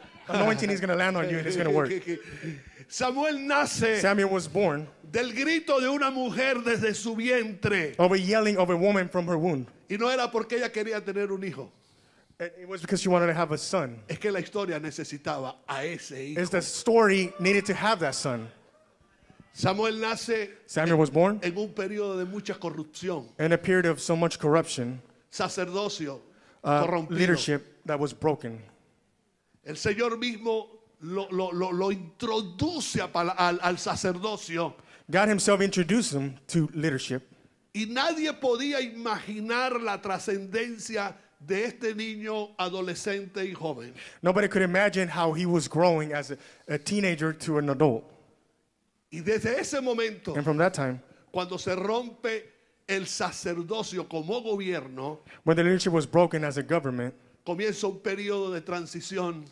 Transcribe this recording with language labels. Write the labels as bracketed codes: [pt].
[en] Anointing is going to land on you and it's going to work. [es] Samuel nace. [en] Samuel was born. [es] Del grito de una mujer desde su vientre. [en] Of a yelling of a woman from her womb. [es] Y no era porque ella quería tener un hijo. [en] It was because she wanted to have a son. [es] Es que la historia necesitaba a ese hijo. [en] It's the story needed to have that son. [es] Samuel nace. [en] Samuel was born. [es] En un periodo de mucha corrupción. [en] In a period of so much corruption. [es] Sacerdocio corrompido. [en] Leadership that was broken. [es] El Señor mismo lo introduce al sacerdocio. [en] God himself introduced him to leadership. [es] Y nadie podía imaginar la trascendencia de este niño adolescente y joven. [en] Nobody could imagine how he was growing as a teenager to an adult. [es] Y desde ese momento, [en] and from that time, [es] cuando se rompe el sacerdocio como gobierno, [en] when the leadership was broken as a government, [es] comienza un periodo de transición.